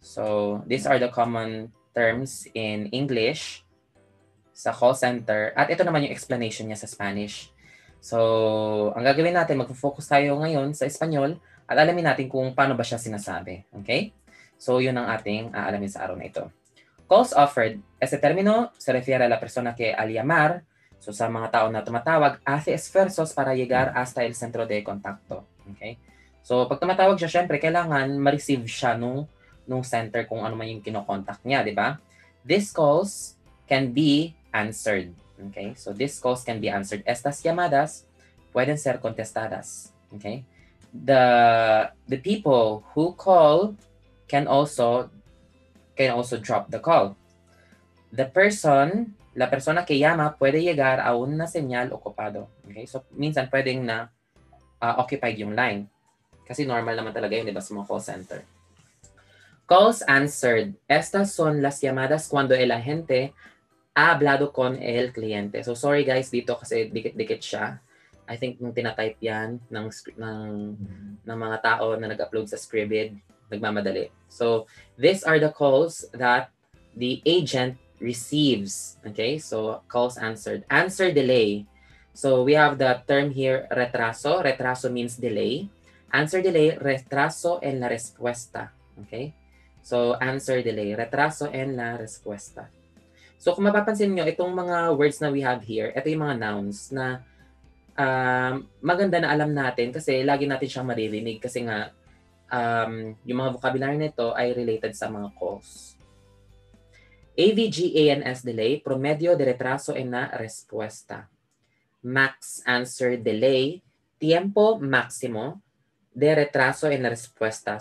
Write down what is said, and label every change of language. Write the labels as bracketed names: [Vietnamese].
[English] So, these are the common terms in English sa call center. [Filipino] At ito naman yung explanation niya sa Spanish. So, ang gagawin natin, mag-focus tayo ngayon sa Espanyol at alamin natin kung paano ba siya sinasabi. Okay? So, yun ang ating aalamin sa araw na ito. [English] Calls offered. [Spanish] Ese termino se refiere a la persona que al llamar. [Filipino] So, sa mga tao na tumatawag, [Spanish] hace esfuerzos para llegar hasta el centro de contacto. [Filipino] Okay? So, pag tumatawag siya, syempre, kailangan ma-receive siya nung center kung ano man yung kinokontakt niya, di ba? [English] These calls can be answered. Okay? So, these calls can be answered. [Spanish] Estas llamadas pueden ser contestadas. [English] Okay? The people who call can also drop the call. [Spanish] La persona que llama puede llegar a una señal ocupado. [Filipino] Okay? So, minsan pwedeng na occupied yung line. Kasi normal naman talaga yun, di ba, sa mga call center. [English] Calls answered. [Spanish] Estas son las llamadas cuando el agente ha hablado con el cliente. [Filipino] So, [English] sorry guys, [Filipino] dito kasi dikit-dikit siya. [English] I think [Filipino] nung tinatype yan ng mga tao na nag-upload sa Scribd, nagmamadali. [English] So, these are the calls that the agent receives. Okay, so calls answered. Answer delay. So, we have the term here, retraso. Retraso means delay. Answer delay, [Spanish] retraso en la respuesta. [English] Okay? So, answer delay, [Spanish] retraso en la respuesta. [Filipino] So, kung mapapansin nyo, itong mga words na [English] we have here, [Filipino] ito yung mga nouns na maganda na alam natin kasi lagi natin siyang maririnig kasi nga yung mga vocabulary nito ay related sa mga calls. [Spanish] AVGANS delay, promedio de retraso en la respuesta. [English] Max answer delay, [Spanish] tiempo máximo de retraso en la respuesta.